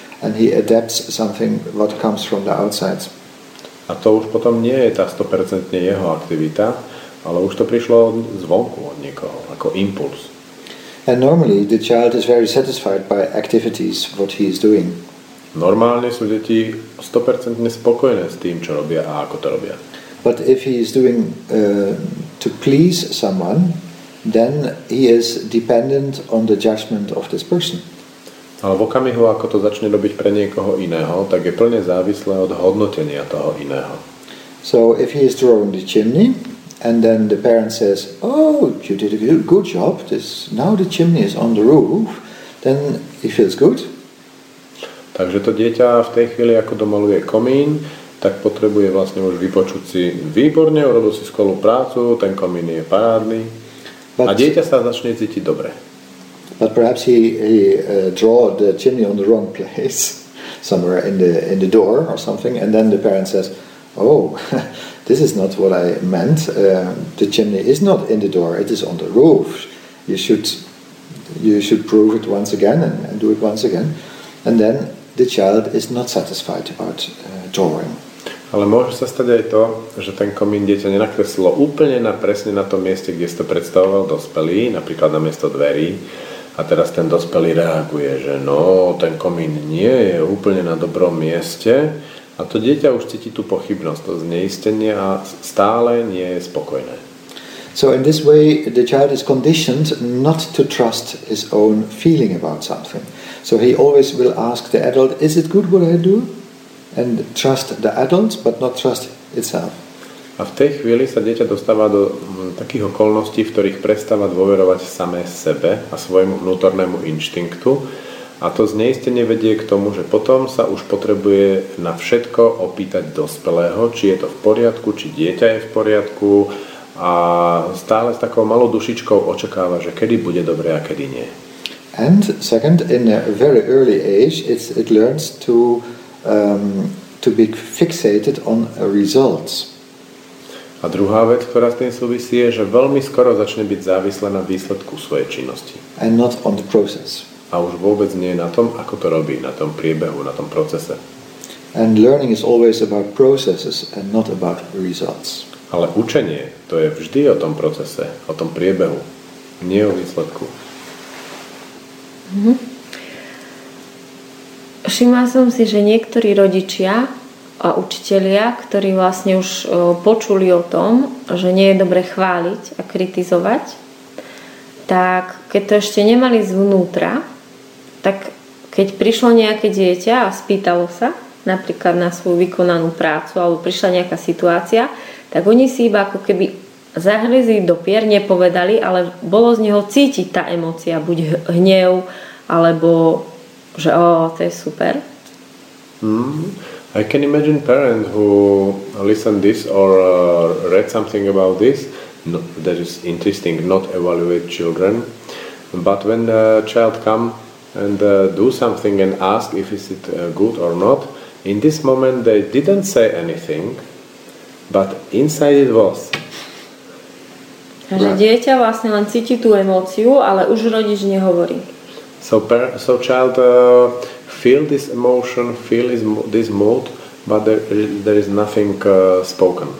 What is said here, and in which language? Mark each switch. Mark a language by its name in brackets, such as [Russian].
[English] And he adapts something what comes from the outside. [Slovak] A to už potom nie je tá 100% jeho aktivita, ale už to prišlo zvonku od niekoho, ako impuls. [English] And normally the child is very satisfied by activities what he is doing. [Slovak] Normálne sú deti 100% spokojné s tým, čo robia a ako to robia. [English] But if he is doing to please someone, then he is dependent on the judgment of this person. [Slovak] Ale v okamihu, ako to začne robiť pre niekoho iného, tak je plne závislé od hodnotenia toho iného. [English] So if he is drawing the chimney and then the parent says, oh, you did a good job, now the chimney is on the roof, then he feels good. [Slovak] Takže to dieťa v tej chvíli, ako domaluje komín, tak potrebuje vlastne už vypočuť si, výborne, urobil si skvelú prácu, ten komín je parádny. But a dieťa sa začne cítiť dobre. [English] But perhaps he draw the chimney on the wrong place, somewhere in the door or something, and then the parent says, oh, this is not what I meant. The chimney is not in the door, it is on the roof. You should prove it once again and do it once again. And then the child is not satisfied about drawing. [Slovak] Ale môže sa stať aj to, že ten komín dieťa nenakreslilo úplne na presne na tom mieste, kde si to predstavoval dospelý, napríklad na miesto dverí. A teraz ten dospelý reaguje, že no, ten komín nie je úplne na dobrom mieste a to dieťa už cíti tú pochybnosť, to zneistenie a stále nie je spokojné. [English] So in this way the child is conditioned not to trust his own feeling about something. So he always will ask the adult, is it good what I do? And trust the adult, but not trust itself. [Slovak] A v tej chvíli sa dieťa dostáva do takých okolností, v ktorých prestáva dôverovať samé sebe a svojmu vnútornému inštinktu. A to zneistenie vedie k tomu, že potom sa už potrebuje na všetko opýtať dospelého, či je to v poriadku, či dieťa je v poriadku, a stále s takou malou dušičkou očakáva, že kedy bude dobre a kedy nie. [English] And second, in a very early age, it learns to be fixated on results. [Slovak] A druhá vec, ktorá s tým súvisí, je, že veľmi skoro začne byť závislá na výsledku svojej činnosti. [English] And not on the process. [Slovak] A už vôbec nie na tom, ako to robí, na tom priebehu, na tom procese. [English] And learning is always about processes and not about results. [Slovak] Ale učenie, to je vždy o tom procese, o tom priebehu, nie o výsledku. Všimla som si, že niektorí rodičia a učitelia, ktorí vlastne už počuli o tom, že nie je dobre chváliť a kritizovať, tak keď to ešte nemali zvnútra, tak keď prišlo nejaké dieťa a spýtalo sa napríklad na svoju vykonanú prácu alebo prišla nejaká situácia, tak oni si iba ako keby zahryzli do pier, nepovedali, ale bolo z neho cítiť tá emócia, buď hnev, alebo že o, to je super. [English] I can imagine parent who listened this or read something about this, no, that is interesting, not evaluate children, but when the child come and do something and ask if is it good or not, in this moment they didn't say anything, but inside it was. [Slovak] Takže dieťa vlastne len cíti tú emóciu, ale už rodič nehovorí. [English] So child feel this emotion, feel this mood, but there is nothing spoken.